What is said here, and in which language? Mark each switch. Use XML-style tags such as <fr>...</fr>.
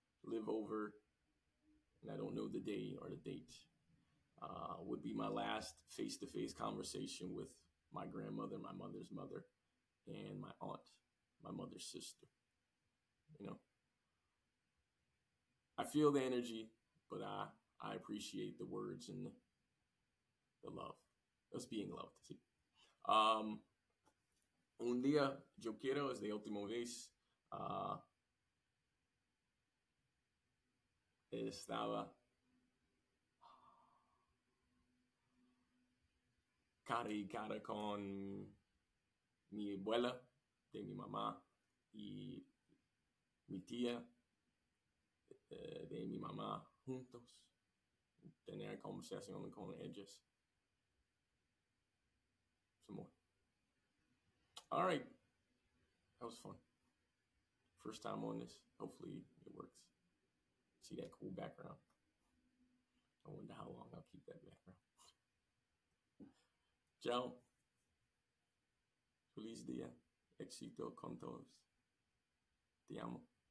<en>live over, and I don't know the day or the date, would be my last face-to-face conversation with my grandmother, my mother's mother, and my aunt, my mother's sister. You know, I feel the energy, but I appreciate the words and the love. Us being loved.</en> <es>¿Sí? Un día yo quiero es de última vez. Estaba cara y cara con mi abuela de mi mamá y mi tía de mi mamá juntos. Tener conversación con ellos.</es> <en>Some more. All right. That was fun. First time on this. Hopefully it works. See that cool background? I wonder how long I'll keep that background.</en> <es>Ciao. Feliz día. Éxito con todos. Te amo.</es>